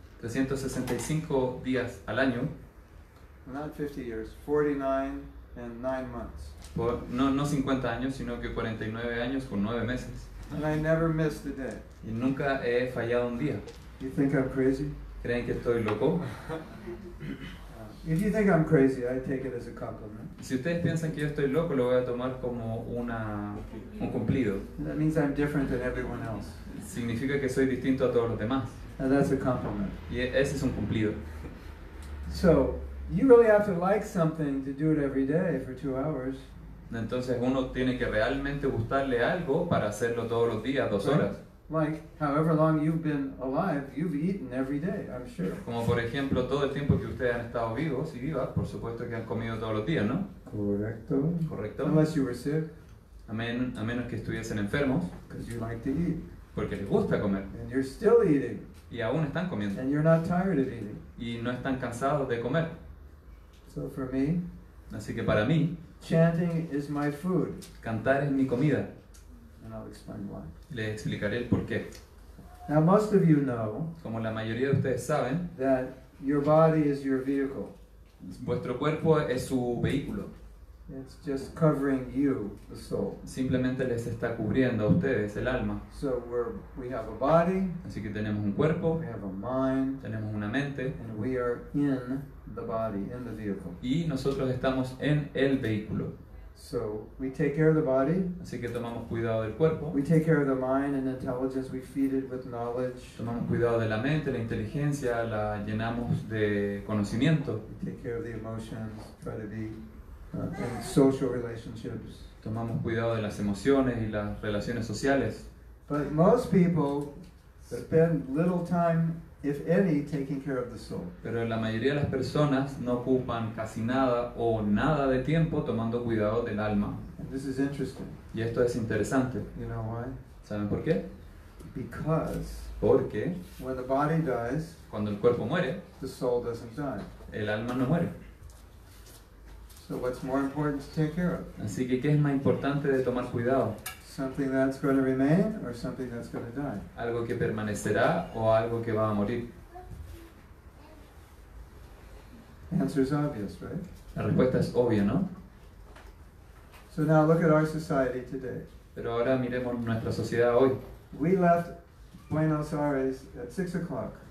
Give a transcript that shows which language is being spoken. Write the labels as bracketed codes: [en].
[es] 365 días al año. [en] Not 50 years, 49 and 9 months. [es] Por, no 50 años, sino que 49 años con 9 meses. [en] And I never missed a day. [es] Y nunca he fallado un día. [en] You think I'm crazy? [es] ¿Creen que estoy loco? [en] If you think I'm crazy, I take it as a compliment. [es] Si ustedes piensan que yo estoy loco, lo voy a tomar como un cumplido. [en] That means I'm different than everyone else. [es] Significa que soy distinto a todos los demás. [en] And that's a compliment. [es] Y ese es un cumplido. [en] So, you really have to like something to do it every day for 2 hours. [es] Entonces uno tiene que realmente gustarle algo para hacerlo todos los días, 2 horas. [en] Like, however long you've been alive, you've eaten every day, I'm sure. [es] Como por ejemplo, todo el tiempo que ustedes han estado vivos y vivas, por supuesto que han comido todos los días, ¿no? Correcto. Correcto. [en] Unless you were sick. [es] A menos que estuviesen enfermos. [en] Because you like to eat. [es] Porque les gusta comer. [en] And you're still eating. [es] Y aún están comiendo. [en] And you're not tired of eating. [es] Y no están cansados de comer. [en] So for me. [es] Así que para mí. [en] Chanting is my food. [es] Cantar es mi comida. [en] And I'll explain why. [es] Le explicaré el porqué. [en] Now most of you know, [es] como la mayoría de ustedes saben, [en] that your body is your vehicle. [es] Vuestro cuerpo es su vehículo. [en] It's just covering you, the soul. [es] Simplemente les está cubriendo a ustedes el alma. [en] So we have a body. [es] Así que tenemos un cuerpo. [en] We have a mind. [es] Tenemos una mente. [en] And we are in the body, in the vehicle. [es] Y nosotros estamos en el vehículo. [en] So we take care of the body. [es] Así que tomamos cuidado del cuerpo. [en] We take care of the mind and intelligence. We feed it with knowledge. [es] Tomamos cuidado de la mente, la inteligencia, la llenamos de conocimiento. [en] We take care of the emotions. Try to be in social relationships. [es] Tomamos cuidado de las emociones y las relaciones sociales. [en] But most people spend little time, if any, taking care of the soul. [es] Pero la mayoría de las personas no ocupan casi nada o nada de tiempo tomando cuidado del alma. [en] And this is interesting. [es] Y esto es interesante. [en] You know why? [es] ¿Saben por qué? [en] Because [es] porque [en] when the body dies, [es] cuando el cuerpo muere, [en] the soul doesn't die. [es] El alma no muere. [en] So what's more important to take care of? [es] Así que ¿qué es más importante de tomar cuidado? [en] Something that's going to remain or something that's going to die. [es] Algo que permanecerá o algo que va a morir. [en] Answer is obvious, right? [es] La respuesta es obvia, ¿no? [en] So now look at our society today. [es] Pero ahora miremos nuestra sociedad hoy. [en] We left Buenos Aires at 6 o'clock.